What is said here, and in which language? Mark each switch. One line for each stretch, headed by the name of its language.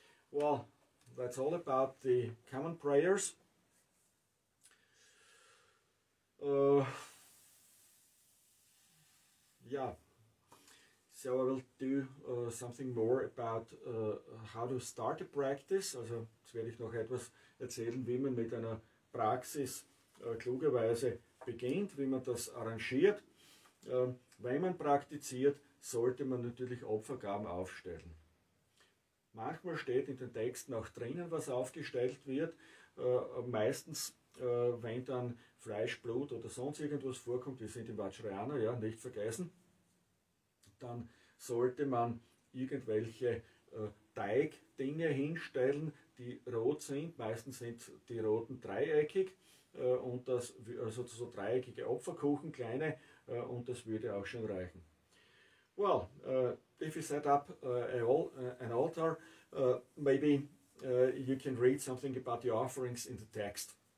English: Well, that's all about the common prayers. Yeah. So I will do something more about how to start a practice.
German: Also, jetzt werde ich noch etwas erzählen, wie man mit einer Praxis klugerweise beginnt, wie man das arrangiert. Wenn man praktiziert, sollte man natürlich Opfergaben aufstellen. Manchmal steht in den Texten auch drinnen, was aufgestellt wird. Meistens, wenn dann Fleisch, Blut oder sonst irgendwas vorkommt, wir sind im Vajrayana, ja, nicht vergessen, dann sollte man irgendwelche Teigdinge hinstellen, die rot sind. Meistens sind die roten dreieckig, und das, also so dreieckige Opferkuchen, kleine, und das würde auch schon reichen.
English: Well, if you set up an altar, maybe you can read something about the offerings in the text.